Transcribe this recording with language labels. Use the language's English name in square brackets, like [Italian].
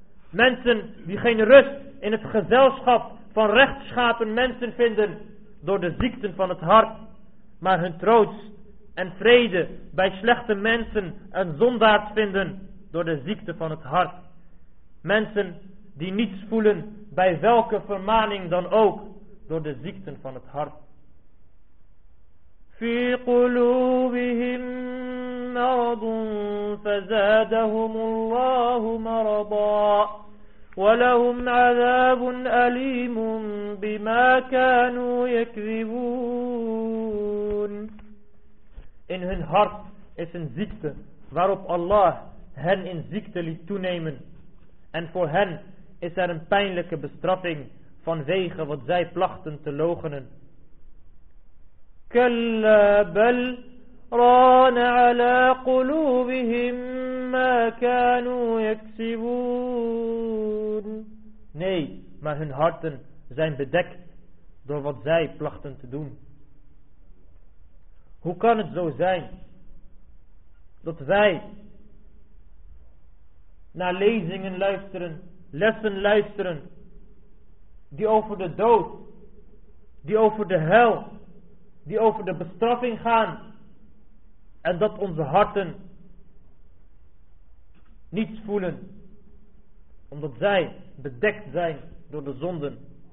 [Dutch] Mensen die geen rust in het gezelschap van rechtschapen mensen vinden door de ziekten van het hart, maar hun troost en vrede bij slechte mensen en zondaars vinden door de ziekte van het hart. Mensen die niets voelen bij welke vermaning dan ook door de ziekten van het hart. [Arabic] في قلوبهم مرض فزادهم الله مرضا ولهم عذاب أليم بما كانوا يكذبون. [Dutch] In hun hart is een ziekte waarop Allah hen in ziekte liet toenemen. En voor hen is er een pijnlijke bestraffing vanwege wat zij plachten te loochenen. [Arabic] كلا بل ران على قلوبهم ما كانوا يكسبون. [Dutch] Nee, maar hun harten zijn bedekt door wat zij plachten te doen. Hoe kan het zo zijn dat wij naar lezingen luisteren, lessen luisteren, die over de dood, die over de hel, die over de bestraffing gaan, en dat onze harten niets voelen, omdat zij bedekt zijn door de zonden?